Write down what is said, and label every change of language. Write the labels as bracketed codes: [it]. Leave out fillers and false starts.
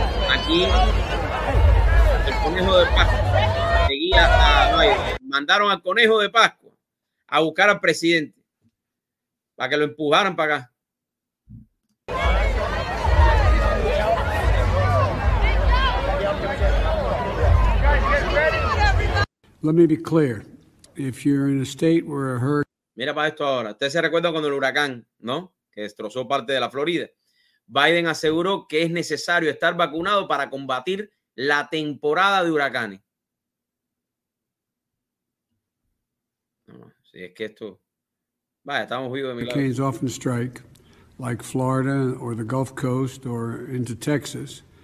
[es] Aquí el conejo de Pascua seguía a Biden. Mandaron al conejo de Pascua a buscar al presidente para que lo empujaran para acá. [en] Let me be clear. If you're in a state where a hurricane. [es] Mira para esto ahora. Usted se recuerda cuando el huracán, ¿no? Que destrozó parte de la Florida. Biden aseguró que es necesario estar vacunado para combatir la temporada de huracanes. No, si es que esto. Vaya, estamos vivos de milagro. [en] Hurricanes often strike, like Florida or the Gulf Coast or into Texas.